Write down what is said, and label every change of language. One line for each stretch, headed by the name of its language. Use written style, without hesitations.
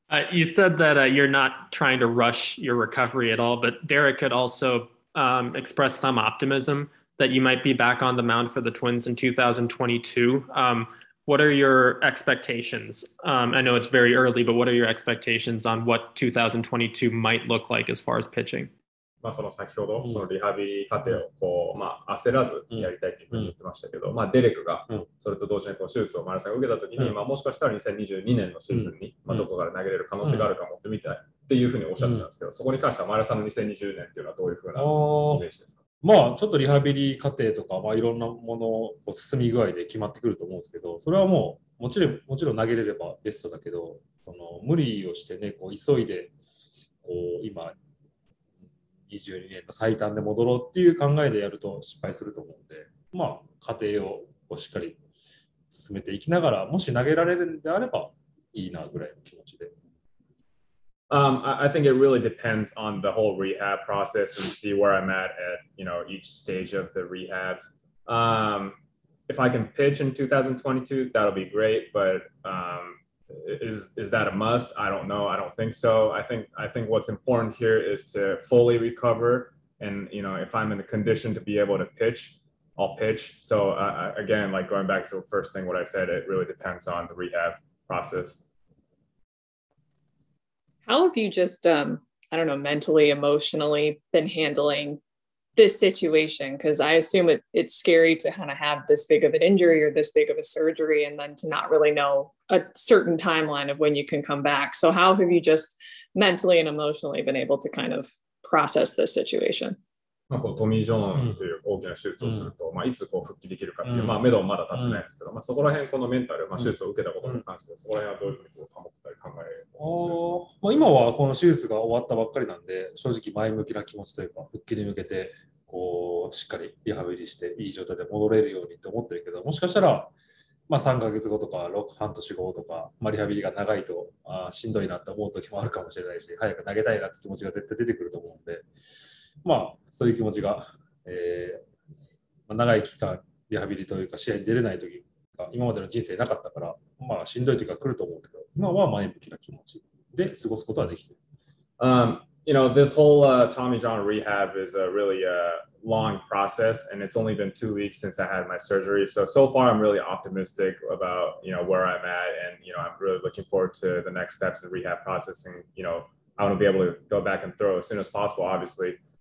English: you said that you're not trying to rush your recovery at all, but Derek had also expressed some optimism that you might be back on the mound for the twins in 2022. What are your expectations? I know it's very early, but what are your expectations on what 2022 might look like as far as pitching?
Japanese: まあその先ほどそのリハビリ過程をこうまあ焦らずやりたいっていうふうに言ってましたけど、まあデレクがそれと同時にこう手術をマラさんが受けた時に、まあもしかしたら2022年のシーズンにまあどこから投げれる可能性があるかもってみたいっていうふうにおっしゃってたんですけど、そこに関してはマラさんの2020年っていうのはどういうふうなイメージですか？まあちょっとリハビリ過程とか、まあ、いろんなものを進み具合で決まってくると思うんですけど、それはもうもちろん投げれればベストだけど、その無理をしてね、こう急いでこう今22年の最短で戻ろうっていう考えでやると失敗すると思うんで、まあ過程をしっかり進めていきながら、もし投げられるんであればいいなぐらいの気持ちで。
English: I think it really depends on the whole rehab process and see where I'm at, you know, each stage of the rehab. If I can pitch in 2022, that'll be great. But is that a must? I don't know. I don't think so. I think what's important here is to fully recover. And, you know, if I'm in the condition to be able to pitch, I'll pitch. So again, like going back to the first thing, what I said, it really depends on the rehab process. How have you just, I don't know, mentally, emotionally been handling this situation? Because I assume it's scary to kind of have this big of an injury or this big of a surgery and then to not really know a certain timeline of when you can come back. So how have you just mentally and emotionally been able to kind of process this situation?
Japanese: まあ、こうトミー・ジョーンという大きな手術をすると、うんまあ、いつこう復帰できるかという、うんまあ、目処はまだ立ってないんですけど、うんまあ、そこら辺このメンタル、まあ、手術を受けたことに関して、うん、そこら辺はどういうふうにこう保ったり考えるか、まあ、今はこの手術が終わったばっかりなんで正直前向きな気持ちというか復帰に向けてこうしっかりリハビリしていい状態で戻れるようにと思ってるけどもしかしたら、まあ、3ヶ月後とか6半年後とか、まあ、リハビリが長いとあしんどいなと思う時もあるかもしれないし早く投げたいなって気持ちが絶対出てくると思うんでまあそういう気持ちが、長い期間リハビリというか試合に出れない時が今までの人生なかったからまあしんどい時が来ると思うけど今は前向きな気持ちで過ごすことはできてる。
English: You know, this whole Tommy John rehab is a really long process and it's only been 2 weeks since I had my surgery. So far I'm really optimistic about, you know, where I'm at and, you know, I'm really looking forward to the next steps of the rehab process and, you know,I want to be able to go back and throw as soon as possible, obviously.